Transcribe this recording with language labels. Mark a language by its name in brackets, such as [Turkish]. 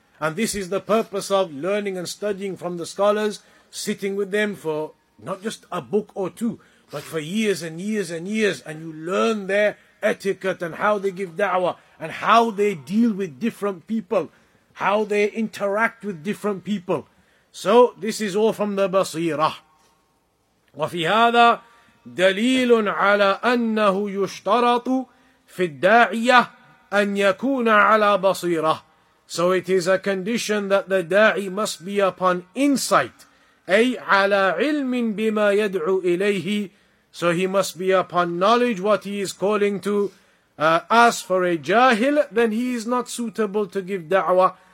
[English] And this is the purpose of learning and studying from the scholars, sitting with them for not just a book or two, but for years and years and years, and you learn their etiquette and how they give da'wah and how they deal with different people, how they interact with different people. So this is all from the basirah. [Arabic] وفي هذا دليل على أنه يشترط في الداعية أن يكون على بصيرة. [English] So it is a condition that the da'i must be upon insight. [Arabic] أي على علم بما يدعو إليه. [English] So he must be upon knowledge what he is calling to. As for a jahil, then he is not suitable to give da'wah.